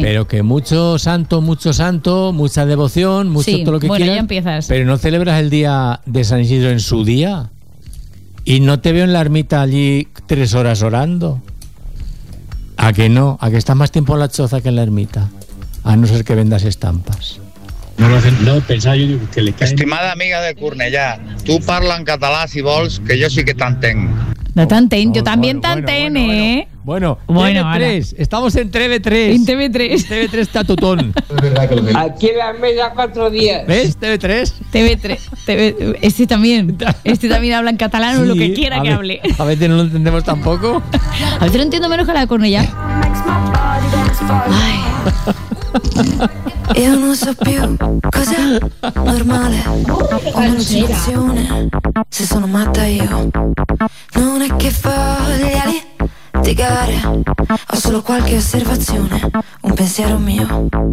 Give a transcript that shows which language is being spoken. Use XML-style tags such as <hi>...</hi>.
<es>Pero que mucho santo, mucha devoción, mucho sí, todo lo que bueno, quieras. Bueno, ya empiezas. Pero no celebras el día de San Isidro en su día. Y no te veo en la ermita allí 3 horas orando. ¿A que no? ¿A que estás más tiempo en la choza que en la ermita? A no ser que vendas estampas. No lo hacen. No, pensaba yo que le caen.</es> <ca>Estimada amiga de Cornellà, tú parla en català si vols, que yo sí que t'entenc.</ca> <es>No t'entenc, yo también t'entenc, Bueno, TV3. Estamos en TV3. En TV3. TV3 está tutón. Aquí en la mesa 4 días. ¿Ves? TV3. TV3. Este también. Este también habla en catalán o sí, lo que quiera que hable. A veces no lo entendemos tampoco. A veces lo entiendo menos que la de Cornellà. Ay.</es> <it>Io non so più cos'è normale o una situazione. Se sono matta io, non è che voglia litigare. Ho solo qualche osservazione, un pensiero mio.</it>